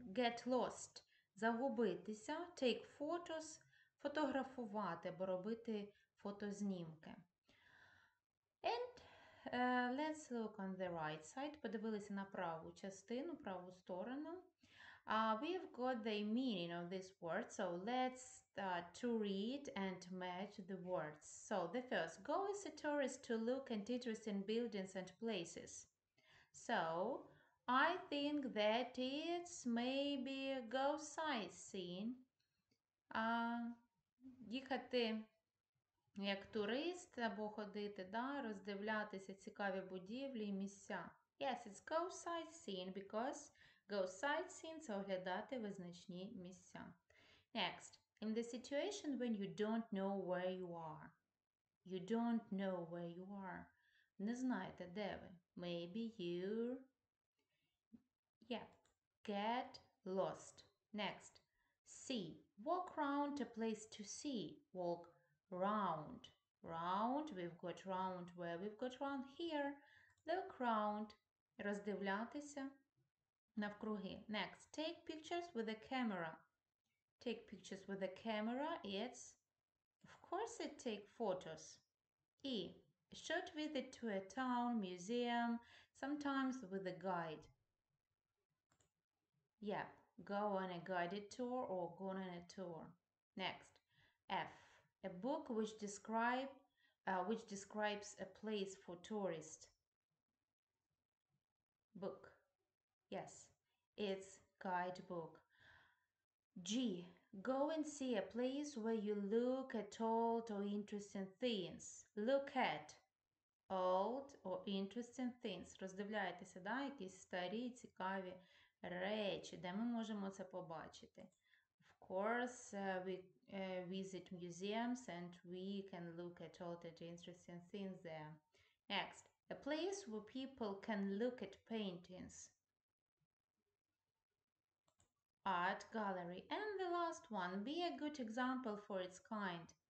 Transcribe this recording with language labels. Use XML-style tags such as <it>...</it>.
<en>Get lost.</en> <uk>Загубитися.</uk> <en>Take photos.</en> <uk>Фотографувати або робити фотознімки.</uk> <en>And let's look on the right side.</en> <uk>Подивилися на праву частину, праву сторону.</uk> <en>We've got the meaning of this word. So let's start to read and match the words. So the first, go as a tourist to look at interesting buildings and places. So I think that it's maybe a go sightseeing.</en> <uk>Їхати як турист або ходити, да, роздивлятися цікаві будівлі і місця.</uk> <en>Yes, it's go sightseeing because go sightseeing –</en> <uk>це оглядати визначні місця.</uk> <en>Next, in the situation when you don't know where you are. You don't know where you are.</en> <uk>Не знаєте, де ви.</uk> <en>Maybe you're... Yep, get lost. Next. See. Walk round a place to see. Walk round. Round. We've got round where we've got round here. Look round.</en> <uk>Роздивлятися навкруги.</uk> <en>Next. Take pictures with a camera. Take pictures with a camera. It's, of course, it take photos. E. Short visit to a town, museum, sometimes with a guide. Yep. Go on a guided tour or go on a tour. Next, F. A book which describes a place for tourists. Book. Yes, it's guidebook. G. Go and see a place where you look at old or interesting things. Look at old or interesting things.</en> <uk>Роздивляєтеся, да, якісь старі, цікаві речі, де ми можемо це побачити?</uk> <en>Of course, we visit museums and we can look at all the interesting things there. Next, a place where people can look at paintings. Art gallery. And the last one, be a good example for its kind.</en>